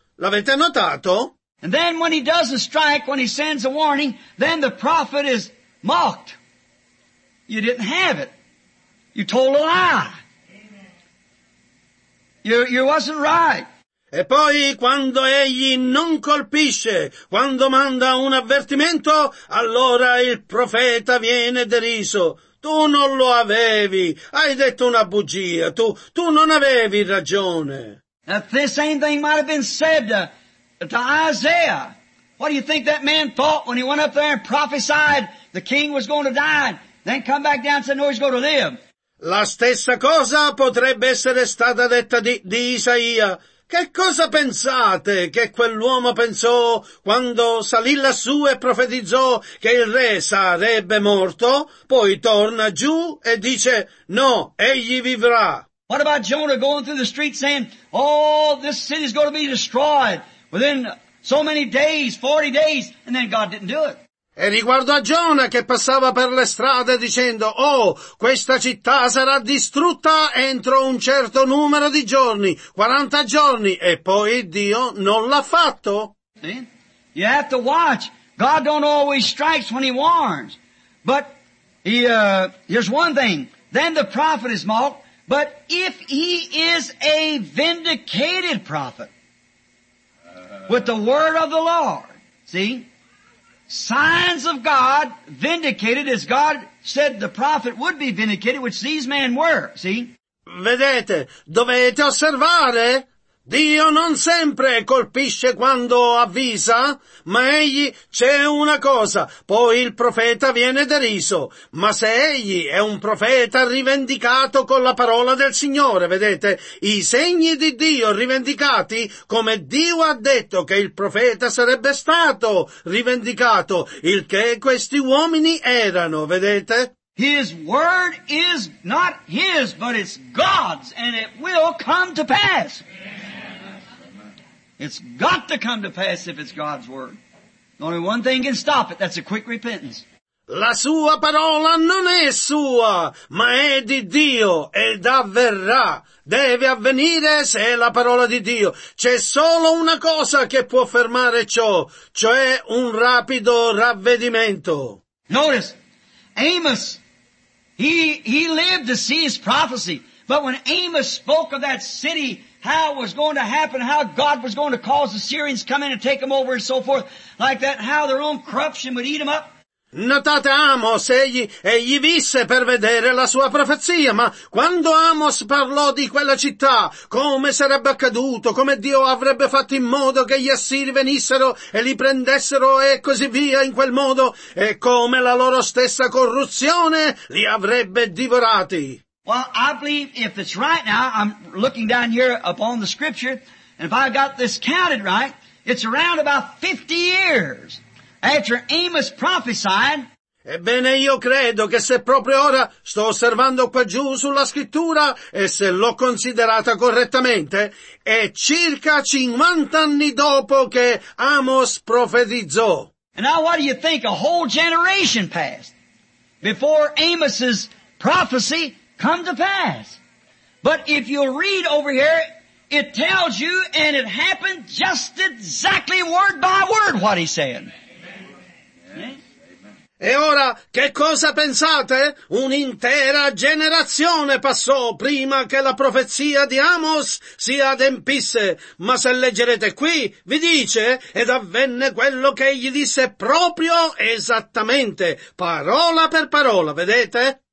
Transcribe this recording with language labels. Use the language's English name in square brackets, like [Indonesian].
[Italian] L'avete notato? [English] And then when he does a strike, when he sends a warning, then the prophet is mocked. You didn't have it. You told a lie. You wasn't right. [Italian] E poi quando egli non colpisce, quando manda un avvertimento, allora il profeta viene deriso. Tu non lo avevi. Hai detto una bugia. Tu non avevi ragione. [English] Now, the same thing might have been said to Isaiah. What do you think that man thought when he went up there and prophesied the king was going to die, and then come back down and said, no, he's going to live? [Italian] La stessa cosa potrebbe essere stata detta di Isaia. Che cosa pensate che quell'uomo pensò quando salì lassù e profetizzò che il re sarebbe morto, poi torna giù e dice, no, egli vivrà. [English] What about Jonah going through the street saying, oh, this city is going to be destroyed within so many days, 40 days, and then God didn't do it. [Italian] E riguardo a Giona che passava per le strade dicendo, oh, questa città sarà distrutta entro un certo numero di giorni, 40 giorni, e poi Dio non l'ha fatto. [English] You have to watch. God don't always strikes when he warns. But here's one thing. Then the prophet is mocked. But if he is a vindicated prophet with the word of the Lord, see? Signs of God vindicated, as God said the prophet would be vindicated, which these men were, see? [Italian] Vedete, dovete osservare, Dio non sempre colpisce quando avvisa, ma egli c'è una cosa, poi il profeta viene deriso, ma se egli è un profeta rivendicato con la parola del Signore, vedete, i segni di Dio rivendicati, come Dio ha detto che il profeta sarebbe stato rivendicato, il che questi uomini erano, vedete? [English] His word is not his, but it's God's, and it will come to pass. It's got to come to pass if it's God's word. Only one thing can stop it. That's a quick repentance. [Italian] La sua parola non è sua, ma è di Dio ed avverrà. Deve avvenire se è la parola di Dio. C'è solo una cosa che può fermare ciò, cioè un rapido ravvedimento. [English] Notice, Amos, he lived to see his prophecy. But when Amos spoke of that city, how it was going to happen, how God was going to cause the Syrians to come in and take them over and so forth, like that, how their own corruption would eat them up. [Italian] Notate Amos, egli visse per vedere la sua profezia, ma quando Amos parlò di quella città, come sarebbe accaduto, come Dio avrebbe fatto in modo che gli Assiri venissero e li prendessero e così via in quel modo, e come la loro stessa corruzione li avrebbe divorati. [English] Well, I believe if it's right now, I'm looking down here upon the scripture, and if I got this counted right, it's around about 50 years after Amos prophesied. [Italian] Ebbene, io credo che se proprio ora sto osservando qua giù sulla scrittura e se l'ho considerata correttamente, è circa 50 anni dopo che Amos profetizzò. [English] And now what do you think? A whole generation passed before Amos's prophecy come to pass. But if you'll read over here, it tells you, and it happened just exactly word by word what he said. [Italian] E ora, che cosa pensate? Un'intera generazione passò prima che la profezia di Amos si adempisse. Ma se leggerete qui, vi dice, ed avvenne quello che egli disse proprio esattamente, parola per parola, vedete?